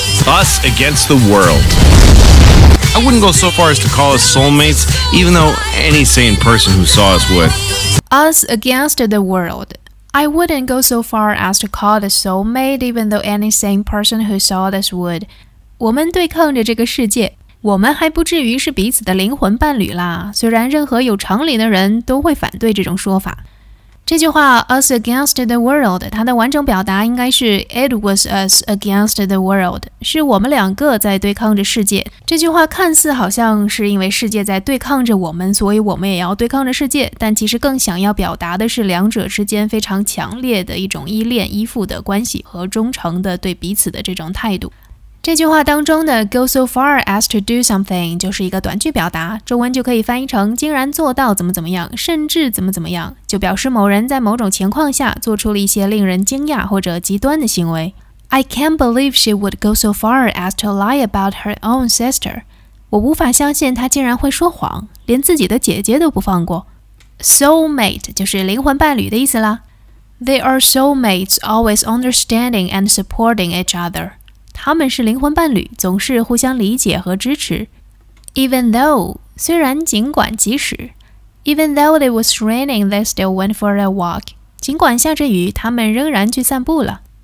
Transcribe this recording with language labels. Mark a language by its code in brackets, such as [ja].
[en] Us against the world. I wouldn't go so far as to call us soulmates, even though any sane person who saw us would. Us against the world. I wouldn't go so far as to call the soulmate, even though any sane person who saw this would. [zh] 我们对抗着这个世界，我们还不至于是彼此的灵魂伴侣啦。虽然任何有常理的人都会反对这种说法。 [en] 这句话 us against the world, [zh] 它的完整表达应该是 [en] it was us against the world, [zh] 是我们两个在对抗着世界。这句话看似好像是因为世界在对抗着我们，所以我们也要对抗着世界，但其实更想要表达的是两者之间非常强烈的一种依恋依附的关系和忠诚的对彼此的这种态度。这句话当中的 [en] go so far as to do something [zh] 就是一个短句表达，中文就可以翻译成竟然做到怎么怎么样，甚至怎么怎么样，就表示某人在某种情况下做出了一些令人惊讶或者极端的行为。 [en] I can't believe she would go so far as to lie about her own sister. [zh] 我无法相信她竟然会说谎，连自己的姐姐都不放过。 Soulmate 就是灵魂伴侣的意思啦。 [en] They are soulmates, always understanding and supporting each other. [zh] 他们是灵魂伴侣，总是互相理解和支持。 [en] Even though, [zh] 虽然尽管即使。 [en] Even though it was raining, they still went for a walk. [zh] 尽管下着雨，他们仍然去散步了。